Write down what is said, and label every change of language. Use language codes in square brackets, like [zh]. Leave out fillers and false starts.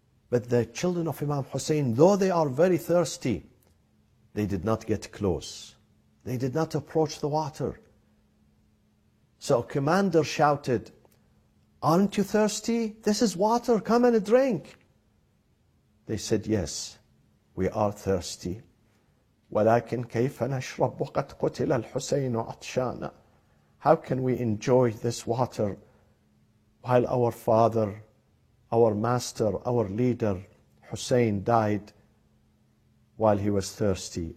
[en] But the children of Imam Hussein, though they are very thirsty, they did not get close. They did not approach the water. So a commander shouted, "Aren't you thirsty? This is water, come and drink." They said, "Yes, we are thirsty. [ar] ولكن كيف نشرب وقد قتل الحسين عطشانا." [en] How can we enjoy this water while our father, our master, our leader, Hussein, died while he was thirsty?